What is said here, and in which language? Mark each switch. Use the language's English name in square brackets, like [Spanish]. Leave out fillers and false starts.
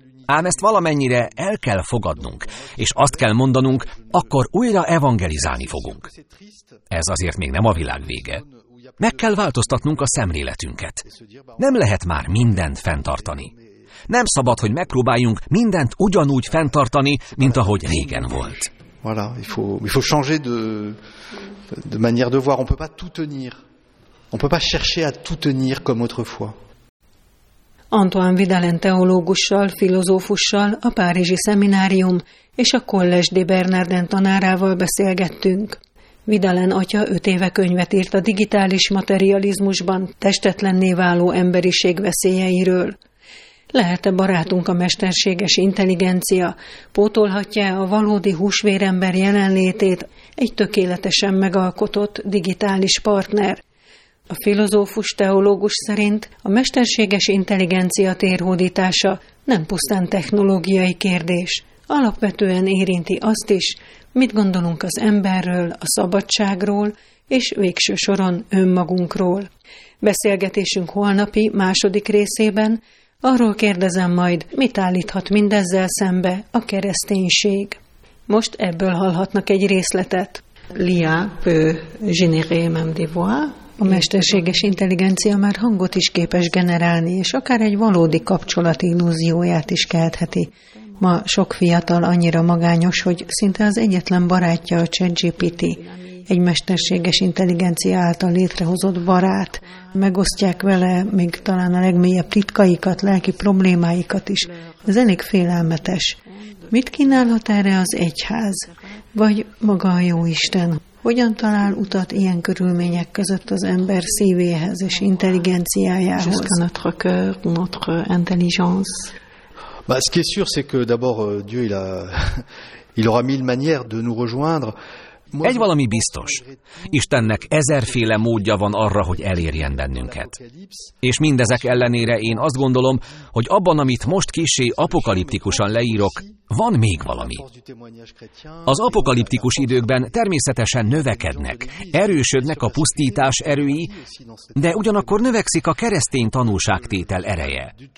[Hungarian] Ám ezt valamennyire el kell fogadnunk, és azt kell mondanunk, akkor újra evangelizálni fogunk. Ez azért még nem a világ vége. Meg kell változtatnunk a szemléletünket. Nem lehet már mindent fenntartani. Nem szabad, hogy megpróbáljunk mindent ugyanúgy fenntartani, mint ahogy régen volt. [French] Voilà, il faut changer de manière de voir. On peut pas tout tenir. On peut pas chercher à tout tenir comme autrefois. [Hungarian] Antoine Vidalen teológussal, filozófussal, a Párizsi Szeminárium és a Collège de Bernardin tanárával beszélgettünk. Vidalen atya 5 éve könyvet írt a digitális materializmusban testetlenné váló emberiség veszélyeiről. Lehet-e barátunk a mesterséges intelligencia? Pótolhatja-e a valódi húsvérember jelenlétét egy tökéletesen megalkotott digitális partner? A filozófus-teológus szerint a mesterséges intelligencia térhódítása nem pusztán technológiai kérdés. Alapvetően érinti azt is, mit gondolunk az emberről, a szabadságról és végső soron önmagunkról. Beszélgetésünk holnapi 2. részében arról kérdezem majd, mit állíthat mindezzel szembe a kereszténység. Most ebből hallhatnak egy részletet. [French] L'IA peut générer même des voix. [Hungarian] A mesterséges intelligencia már hangot is képes generálni, és akár egy valódi kapcsolat illúzióját is keltheti. Ma sok fiatal annyira magányos, hogy szinte az egyetlen barátja a ChatGPT. Egy mesterséges intelligencia által létrehozott barát. Megosztják vele még talán a legmélyebb titkaikat, lelki problémáikat is. Ez elég félelmetes. Mit kínálhat erre az egyház? Vagy maga a Jóisten? Hogyan talál utat ilyen körülmények között az ember szívéhez és intelligenciájához? [French] Jusqu'à notre cœur, notre intelligence. Bah, ce qui est sûr, c'est que d'abord Dieu, il aura mille manières de nous rejoindre. [Hungarian] Egy valami biztos. Istennek ezerféle módja van arra, hogy elérjen bennünket. És mindezek ellenére én azt gondolom, hogy abban, amit most kissé apokaliptikusan leírok, van még valami. Az apokaliptikus időkben természetesen növekednek, erősödnek a pusztítás erői, de ugyanakkor növekszik a keresztény tanúságtétel ereje.